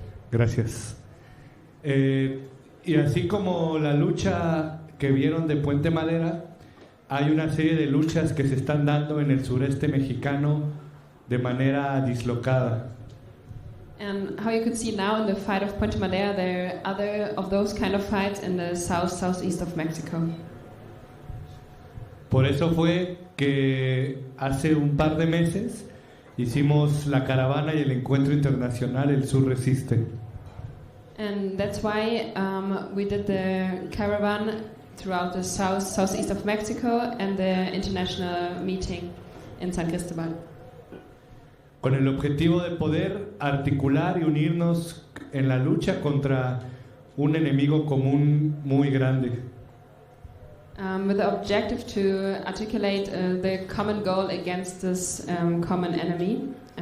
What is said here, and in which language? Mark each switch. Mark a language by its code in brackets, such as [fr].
[es] Gracias. Y así como la lucha que vieron de Puente Madera, hay una serie de luchas que se están dando en el sureste mexicano de manera dislocada. [en] And how you could see now in the fight of Puente Madera, there are other of those kind of fights in the south southeast of Mexico. [es] Por eso fue que hace un par de meses hicimos la caravana y el encuentro internacional El Sur Resiste. [en] And that's why we did the caravan throughout the south southeast of Mexico and the international meeting in San Cristóbal. [es] Con el objetivo de poder articular y unirnos en la lucha contra un enemigo común muy grande. [en] With the objective to articulate the common goal against this common enemy.